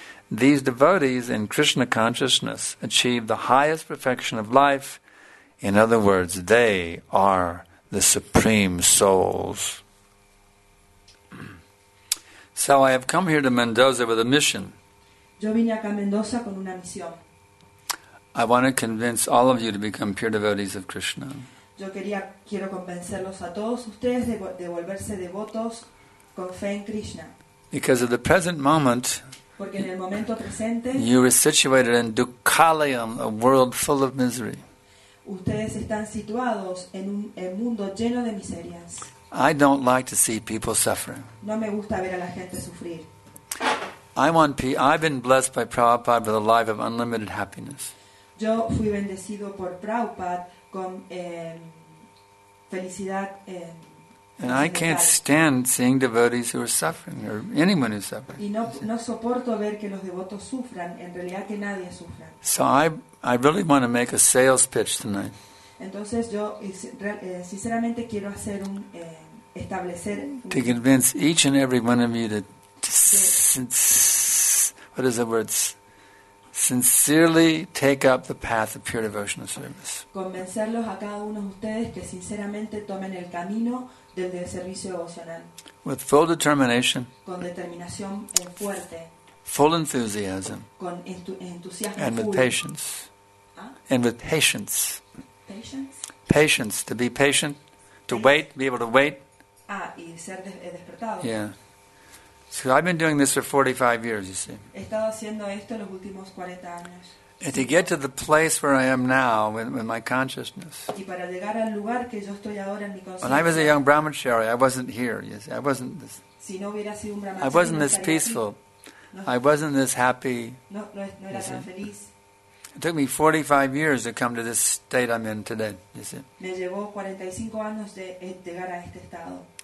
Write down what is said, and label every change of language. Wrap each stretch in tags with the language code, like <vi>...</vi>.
<en>These devotees in Krishna consciousness achieve the highest perfection of life. In other words, they are the supreme souls. So I have come here to Mendoza with a mission.</en> <es>Yo vine acá a Mendoza con una misión.</es> <en>I want to convince all of you to become pure devotees of Krishna.</en> <es>Yo quiero convencerlos a todos ustedes de volverse devotos con fe en Krishna.</es> <en>Because of the present moment,</en> <es>porque en el momento presente,</es> <en>you are situated in Dukkhalayam, a world full of misery.</en> <es>Ustedes están situados en un mundo lleno de miserias.</es> <en>I don't like to see people suffering.</en> <es>No me gusta ver a la gente sufrir.</es> <en>I've been blessed by Prabhupada with a life of unlimited happiness.</en> <es>Yo fui bendecido por Prabhupada con felicidad.</es> <en>And I can't stand seeing devotees who are suffering, or anyone who's suffering.</en> <es>Y no soporto ver que los devotos sufran, en realidad que nadie sufra.</es> <en>So I really want to make a sales pitch tonight.</en> <es>Entonces yo sinceramente quiero hacer un establecer.</es> <en>To convince each and every one of you sincerely take up the path of pure devotional service.</en> <es>Convencerlos a cada uno de ustedes que sinceramente tomen el camino del servicio devocional.</es> <en>With full determination.</en> <es>Con determinación fuerte.</es> <en>Full enthusiasm.</en> <es>Con entusiasmo.</es> <en>And with patience. Ah? And with patience. Patience. Patience. To be patient. To wait. Be able to wait.</en> <es>Ah, y ser despertado.</es> <en>Yeah. So I've been doing this for 45 years, you see.</en> <es>He estado haciendo esto los últimos 40 años.</es> <en>And to get to the place where I am now with my consciousness.</en> <es>Y para llegar al lugar que yo estoy ahora en mi consciencia.</es> <en>When I was a young brahmachari, I wasn't here, you see. I wasn't this.</en> <es>Si no hubiera sido un brahmachari,</es> <en>I wasn't this peaceful.</en> <es>No,</es> <en>I wasn't this happy.</en> <es>No era tan feliz.</es> <en>It took me 45 years to come to this state I'm in today, you see.</en> <es>Me llevó 45 años de llegar a este estado.</es>